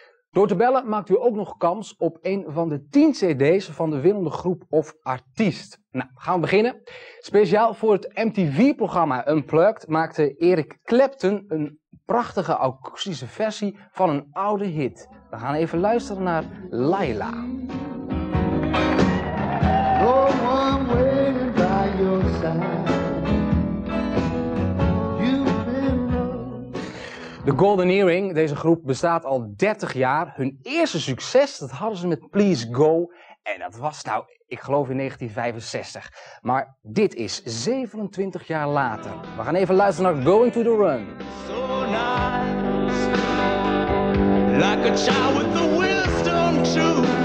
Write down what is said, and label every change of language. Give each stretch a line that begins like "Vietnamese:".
Dutch: Door te bellen maakt u ook nog kans op een van de 10 cd's van de winnende groep of artiest. Nou, gaan we beginnen. Speciaal voor het MTV-programma Unplugged maakte Eric Clapton een prachtige akoestische versie van een oude hit. We gaan even luisteren naar Laila.
English: Oh, I'm waiting by your side.
Dutch: De Golden Earring, deze groep bestaat al 30 jaar. Hun eerste succes, dat hadden ze met Please Go. En dat was nou, ik geloof in 1965. Maar dit is 27 jaar later. We gaan even luisteren naar Going to the Run.
English: So nice, like a child with the wisdom too.